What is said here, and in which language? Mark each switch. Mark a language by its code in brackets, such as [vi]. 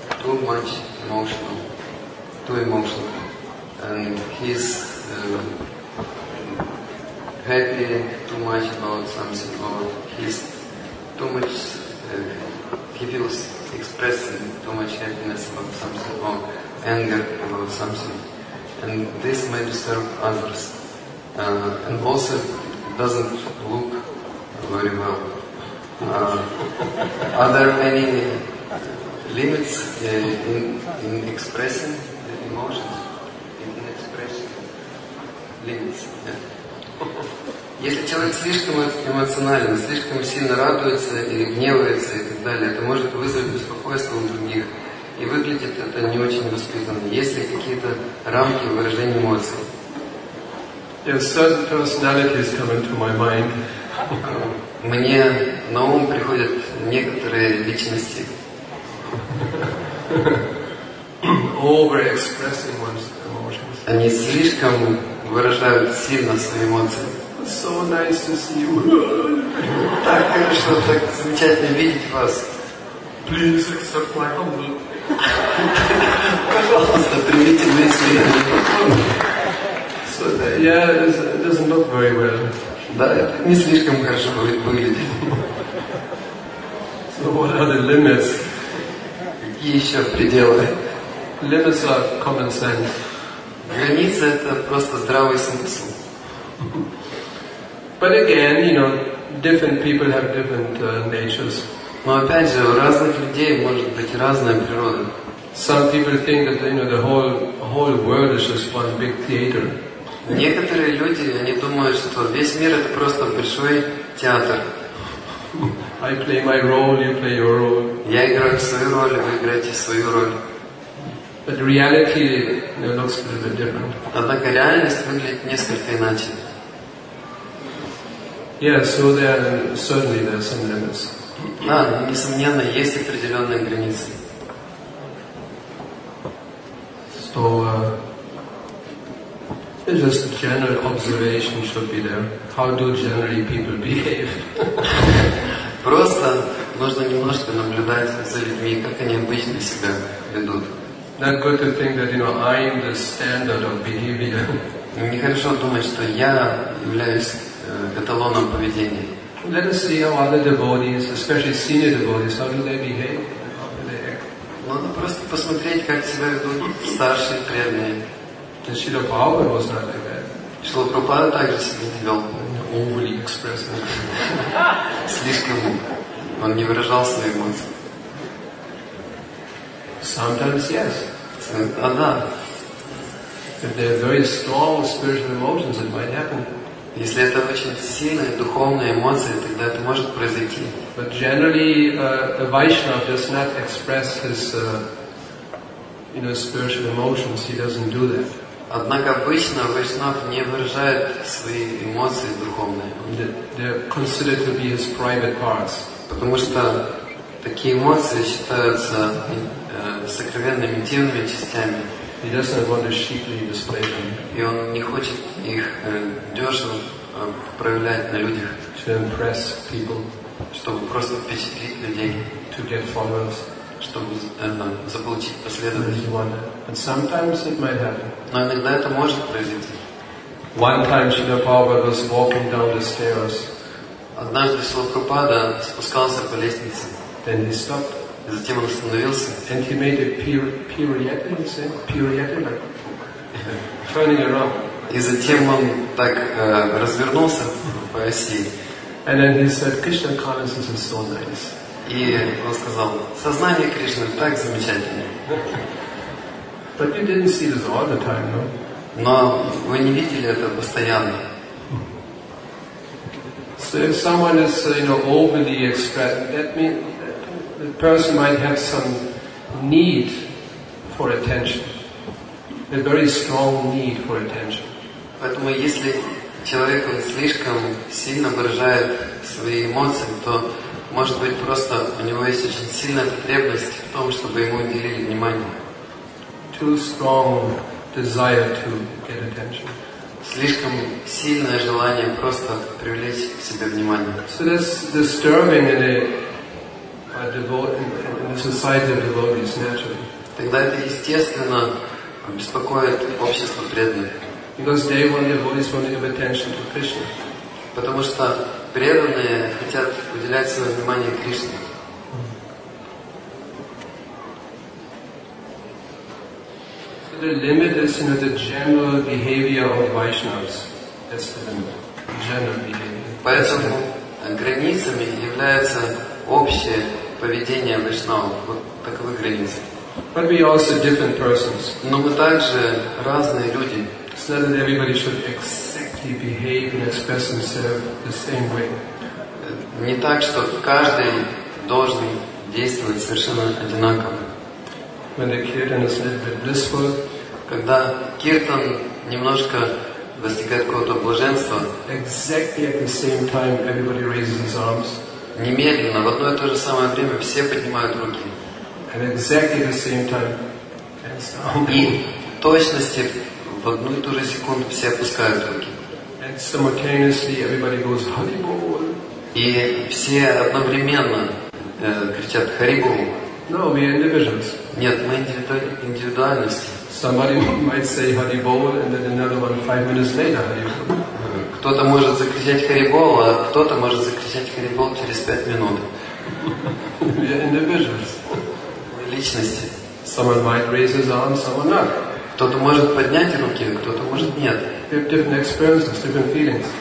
[en] If a person too emotional, and he's happy too much about something, or he's too much, he feels expressing too much happiness about something, or anger about something, and this may disturb others, and also doesn't look very well. Are there any limits in expressing the emotions, in expressing limits. [ru] Если человек слишком эмоционален, слишком сильно радуется или гневается и так далее, это может вызвать беспокойство у других. И выглядит это не очень воспитанно. Есть ли какие-то рамки выражения эмоций? [en] Yes, certain personalities come into my mind. [ru] Мне на ум приходят некоторые личности. [en] Overexpressing one's emotions. [ru] Они слишком выражают сильно свои эмоции. [en] So nice to see you. [ru] Так хорошо, так замечательно видеть вас. [en] Please accept my humble. [ru] Пожалуйста, примите мои извинения. [en] So yeah, it doesn't look very well. [ru] Да, это не слишком хорошо выглядит. [en] So what are the limits? [ru] Какие еще пределы? [en] Limits are common sense. [ru] Граница — это просто здравый смысл. [en] But again, you know, different people have different natures. [ru] Но опять же, у разных людей может быть разная природа. [en] Some people think that, you know, the whole world is just one big theater. [ru] Некоторые люди, они думают, что весь мир это просто большой театр. [en] I play my role, you play your role. [ru] Я играю свою роль, вы играете свою роль. [en] But reality, you know, looks a little different. [ru] Однако реальность выглядит несколько иначе. [en] Yeah, so there are certainly there are some limits. [ru] Да, несомненно, есть определенные границы. [en] So, it's just general observation should be there. How do generally people behave? [ru] Просто нужно немножко наблюдать за людьми, как они обычно себя ведут. [en] Not good to think that, you know, I'm the standard of behavior. [ru] Нехорошо думать, что я являюсь эталоном поведения. [en] Let us see how other devotees, especially senior devotees, how do they behave? [ru] Надо просто посмотреть, как себя ведут старшие преданные. [en] Шрила Прабхупада was not like that. [ru] Шрила Прабхупада также себя не вел. [en] Overly expressive. [ru] Слишком. Он не выражал свои эмоции. [en] Sometimes yes. [ru] Да. [en] If there are very strong spiritual emotions, it might happen. [ru] Если это очень сильные духовные эмоции, тогда это может произойти. [en] But generally, a Vaishnava does not express his, you know, spiritual emotions. He doesn't do that. [ru] Однако обычно Вайшнав не выражает свои эмоции духовные. [en] They're considered to be his private parts. [ru] Потому что такие эмоции считаются сокровенными интимными частями. [en] He doesn't want to sheepishly display them. [ru] И он не хочет их дешево проявлять на людях. [en] To impress people. [ru] Чтобы просто впечатлить людей. [en] To get followers. [ru] Чтобы заполучить последователей. [en] And sometimes it might happen. [ru] Но иногда это может произойти. [en] One time Srila Prabhupada was walking down the stairs. [ru] Однажды Srila Prabhupada спускался по лестнице. [en] Then he stopped. [ru] И затем он остановился. [en] And he made a pirouette, you say? Pirouette, like turning around. [ru] И затем он так развернулся по оси. [en] And then he said, Krishna consciousness is so nice. [ru] И он сказал, сознание Кришны так замечательное. [en] But you didn't see this all the time, no? [ru] Но вы не видели это постоянно. [en] So if someone is, you know, overly expressed, that means the person might have some need for attention, a very strong need for attention. [ru] Поэтому если человек слишком сильно выражает свои эмоции, то может быть просто у него есть очень сильная потребность в том, чтобы ему уделили внимание. [en] Too strong desire to get attention. [ru] Слишком сильное желание просто привлечь к себе внимание. [en] So that's disturbing in a devotee, in a society of devotees, naturally. [ru] Тогда это естественно беспокоит общество преданных. [en] Because they want their voice, want to give attention to Krishna. [ru] Потому что преданные хотят уделять свое внимание Кришне. [en] So the limit is, you know, the general behavior of Vaishnavas. That's the limit. General behavior. [ru] Поэтому границами является общее поведение Вайшнава, вот так выглядит. [en] But we also different persons. [ru] Но мы также разные люди. [en] So that everybody should exactly behave and express himself the same way. [ru] Не так, что каждый должен действовать совершенно одинаково. [en] When the kirtan is a little bit blissful, [ru] когда киртан немножко достигает какого-то блаженства, [en] exactly at the same time everybody raises his arms. [ru] Немедленно, в одно и то же самое время все поднимают руки. [en] And exactly the same time, [ru] и в точности в одну и ту же секунду все опускают руки. [en] And simultaneously everybody goes Haribo. [ru] И все одновременно кричат Харибу. [en] No, we are individuals. [ru] Нет, мы индивидуальности. [en] Somebody might say Haribol, and then another one 5 minutes later Haribol. [ru] Кто-то может закричать Харибол, а кто-то может закричать Харибол через 5 минут. [en] We are individuals. [ru] Мы личности. [en] Someone might raise his arm, someone not. [ru] Кто-то может поднять руки, кто-то может нет. [en] We have different experiences, different feelings.